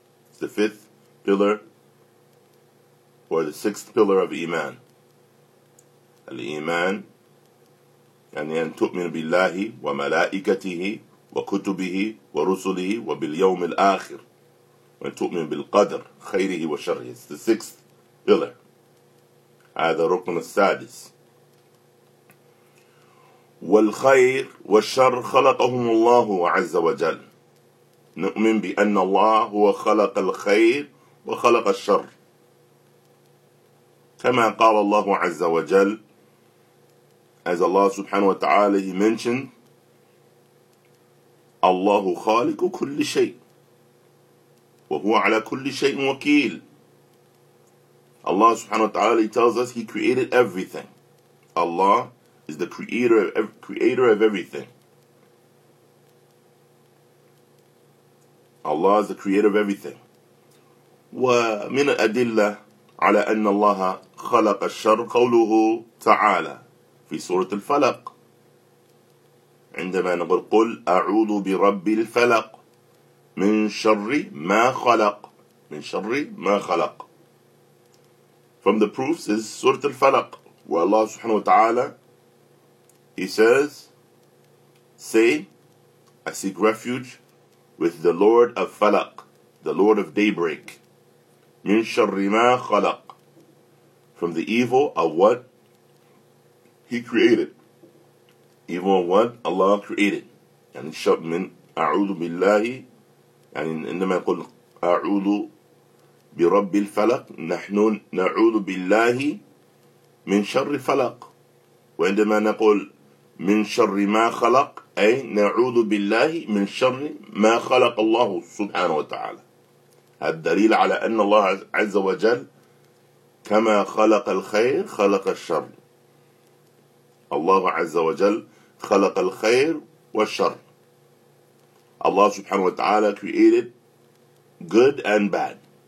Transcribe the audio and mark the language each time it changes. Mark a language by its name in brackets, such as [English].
[English] It's the fifth pillar, or the sixth pillar of Iman. [Arabic] Al-Iman, يعني أن تؤمن بالله وملائكته وكتبه ورسله وباليوم الآخر. أن تؤمن بالقدر خيره وشره. [English] It's the sixth pillar. [Arabic] هذا ركن السادس. والخير والشر خلقهم الله عز وجل. نؤمن بأن الله هو خلق الخير وخلق الشر. كما قال الله عز وجل. [English] As Allah subhanahu wa ta'ala, He mentioned, [Arabic] الله خالق كل شيء وهو على كل شيء وكيل. [English] Allah subhanahu wa ta'ala, He tells us, He created everything. Allah is the creator of everything. Allah is the creator of everything. [Arabic] ومن الأدلة على أن الله خلق الشر قوله تعالى في سورة الفلق عندما نقول قل أعوذ برب الفلق من شر ما خلق من شر ما خلق. [English] From the proofs is سورة الفلق, where Allah subhanahu wa ta'ala, He says, say, I seek refuge with the Lord of Falaq, the Lord of Daybreak. [Arabic] من شر ما خلق, [English] from the evil of what He created. Evil of what Allah created. [Arabic] يعني شر من أعوذ بالله, يعني عندما يقول أعوذ برب الفلق, نحن نعوذ بالله من شر فلق. وعندما نقول من شر ما خلق, أي نعوذ بالله من شر ما خلق الله سبحانه وتعالى. هذا دليل على أن الله عز وجل كما خلق الخير خلق الشر. الله عز وجل خلق الخير والشر. الله سبحانه وتعالى [English] created good and bad.